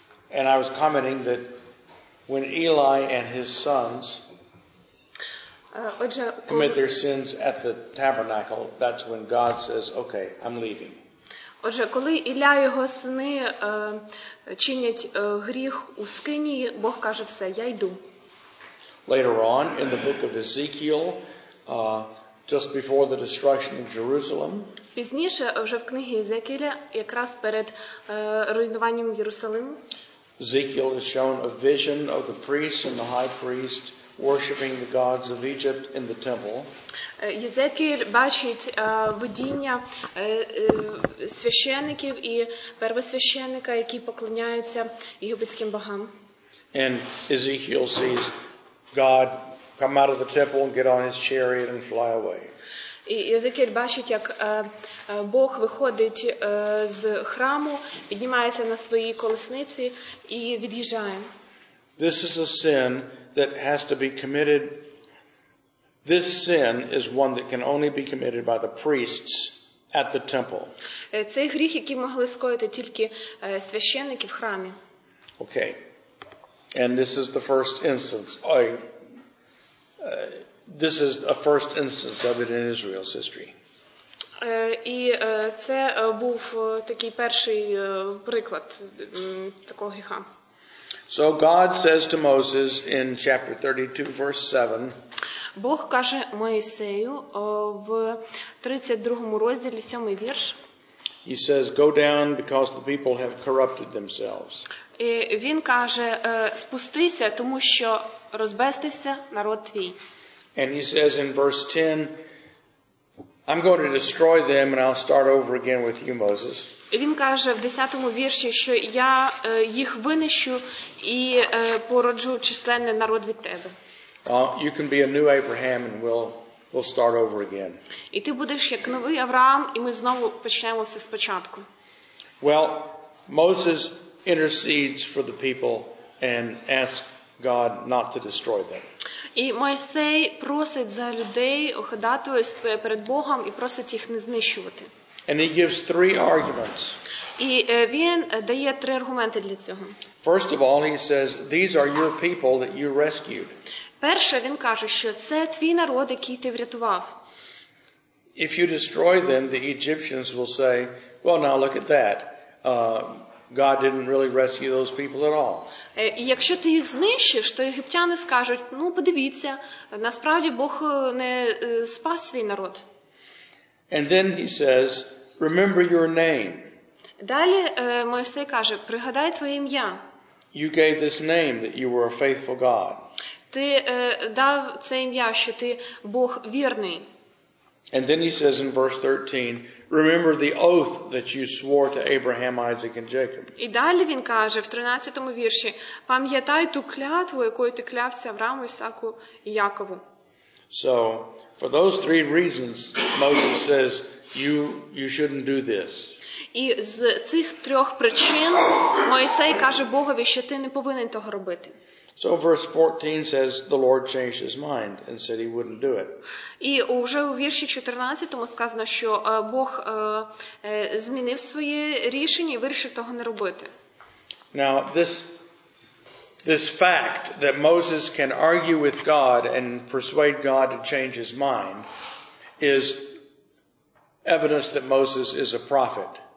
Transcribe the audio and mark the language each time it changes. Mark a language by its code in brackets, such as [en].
[en] And I was commenting that when Eli and his sons commit their sins at the tabernacle, that's when God says, okay, I'm leaving. [uk] Отже, коли Ілля і його сини чинять гріх у скині, Бог каже, все, я йду. [en] Later on, in the book of Ezekiel, just before the destruction of Jerusalem, [uk] пізніше, вже в книгі Єзекіля, якраз перед руйнуванням Єрусалиму, [en] Ezekiel is shown a vision of the priests and the high priest worshiping the gods of Egypt in the temple. [uk] Єзекіль бачить видіння священників і первосвященика, які поклоняються єгипетським богам. [en] And Ezekiel sees God come out of the temple and get on his chariot and fly away. [uk] І Єзекіль бачить, як Бог виходить з храму, піднімається на своїй колесниці і від'їжджає. [en] This is a sin that has to be committed. This sin is one that can only be committed by the priests at the temple. [uk] Цей гріх, який могли скоїти тільки священники в храмі. [en] Okay. And this is the first instance. This is a first instance of it in Israel's history. [uk] І це був такий перший приклад такого гріха. [en] So God says to Moses in chapter 32, verse 7. [uk] Бог каже Моїсею в 32 розділі, 7 вірш. [en] He says, go down because the people have corrupted themselves. [uk] І він каже, спустися, тому що розбестився народ твій. [en] And he says in verse 10, I'm going to destroy them and I'll start over again with you, Moses. [uk] Він каже в 10-му вірші, що я їх винищу і породжу численний народ від тебе. [en] You can be a new Abraham and we'll start over again. [uk] І ти будеш як новий Авраам, і ми знову почнемо все спочатку. [en] Well, Moses intercedes for the people and asks God not to destroy them. [uk] І Мойсей просить за людей, ходатайствує перед Богом і просить їх не знищувати. [en] And he gives three arguments. [uk] І він дає три аргументи для цього. [en] First of all, he says, these are your people that you rescued. [uk] Перше, він каже, що це твій народ, який ти врятував. [en] If you destroy them, the Egyptians will say, well, now look at that. God didn't really rescue those people at all. [uk] І якщо ти їх знищиш, то єгиптяни скажуть, ну, подивіться, насправді Бог не спас свій народ. [en] And then he says, remember your name. [uk] Далі Мойсей каже, пригадай твоє ім'я. [en] You gave this name that you were a faithful God. [uk] Ти дав це ім'я, що ти Бог вірний. [en] And then he says in verse 13, remember the oath that you swore to Abraham, Isaac, and Jacob. [uk] І далі він каже в 13-му вірші, пам'ятай ту клятву, якою ти клявся Аврааму, Ісаку і Якову. [en] So, for those three reasons, Moses says, you shouldn't do this. [uk] І з цих трьох причин Мойсей каже Богові, що ти не повинен того робити. [en] So verse 14 says the Lord changed his mind and said he wouldn't do it. [uk] І уже у вірші 14-му сказано, що Бог змінив своє рішення і вирішив того не робити. [en] Now this fact that Moses can argue with God and persuade God to change his mind is evidence that Moses is a prophet.